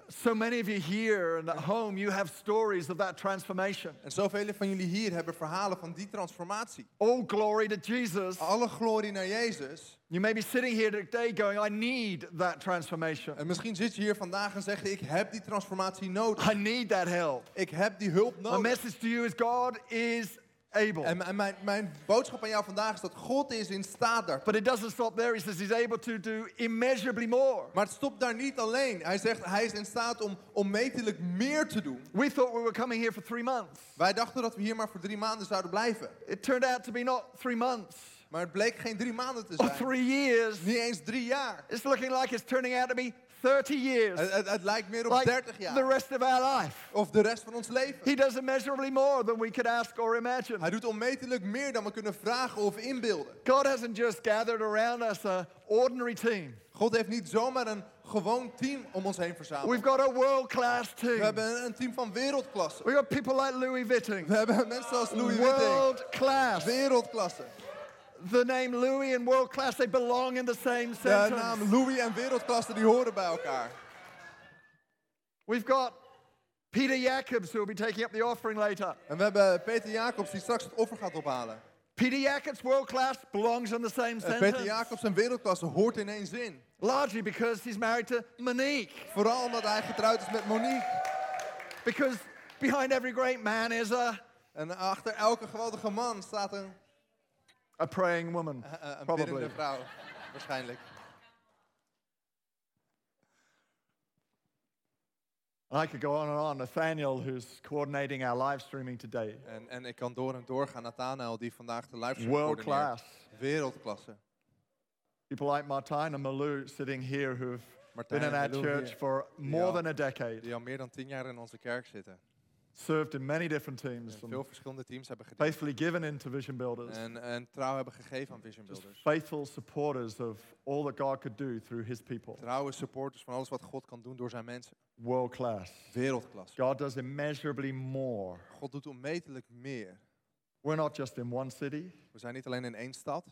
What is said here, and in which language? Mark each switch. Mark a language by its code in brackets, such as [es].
[en] So many of you here and at home, you have stories of that transformation. [nl] En zoveel van jullie hier hebben verhalen van die transformatie. [en] All glory to Jesus. [nl] Alle glorie naar Jezus. [en] You may be sitting here today going, I need that transformation. [nl] En misschien zit je hier vandaag en zeg je, ik heb die transformatie nodig. [en] I need that help. [nl] Ik heb die hulp nodig. [en] My message to you is God is able. [nl] En mijn boodschap aan jou vandaag is dat God is in staat daar. [en] But it doesn't stop there. He says he's able to do immeasurably more. [nl] Maar het stopt daar niet alleen. Hij zegt hij is in staat om onmetelijk meer te doen. [en] We thought we were coming here for 3 months. [nl] Wij dachten dat we hier maar voor 3 maanden zouden blijven. [en] It turned out to be not 3 months. [nl] Maar het bleek geen 3 maanden te zijn. [en] Or 3 years. [nl] Niet eens 3 jaar. [en] It's looking like it's turning out to be 30 years. [nl] Het lijkt meer op [en] like [nl] 30 jaar. [en] The rest of our life. [nl] Of de rest van ons leven. [en] He does immeasurably more than we could ask or imagine. [nl] Hij doet onmetelijk meer dan we kunnen vragen of inbeelden. [en] God hasn't just gathered around us a ordinary team. [nl] God heeft niet zomaar een gewoon team om ons heen verzameld. [en] We've got a world-class team. [nl] We hebben een team van wereldklasse. [en] We got people like Louis Vuitton. [nl] We hebben mensen als Louis [en] world-class. [nl] Vuitton. Wereldklasse. [en] The name Louis and world class, they belong in the same sentence. [nl] De naam Louis en wereldklasse, die horen bij elkaar. [en] We've got Peter Jacobs, who will be taking up the offering later. [nl] En we hebben Peter Jacobs, die straks het offer gaat ophalen. [en] Peter Jacobs, world class, belongs in the same sentence. [nl] Peter Jacobs en wereldklasse hoort in één zin. [en] Largely because he's married to Monique. [nl] Vooral omdat hij getrouwd is met Monique. [en] Because behind every great man is a... [nl] En achter elke geweldige man staat een... [en] A praying woman, probably. [nl] Een biddende vrouw, waarschijnlijk. [en] And I could go on and on. Nathaniel, who's coordinating our live streaming today. [nl] En ik kan door en door gaan. Nathaniel, die vandaag de live stream coördineert. [en] World class. [nl] Wereldklasse. [en] People like Martijn and Malou sitting here who've been in our church for more than a decade. [nl] Die al meer dan 10 jaar in onze kerk zitten. [en] Served in many different teams. [nl] En veel verschillende teams hebben gediend. [en] Faithfully given into Vision Builders. [nl] En trouw hebben gegeven aan Vision Builders. [en] Just faithful supporters of all that God could do through His people. [nl] Trouwe supporters van alles wat God kan doen door zijn mensen. [en] World class. [nl] Wereldklasse. [en] God does immeasurably more. [nl] God doet onmetelijk meer. [en] We're not just in one city. [nl] We zijn niet alleen in één stad.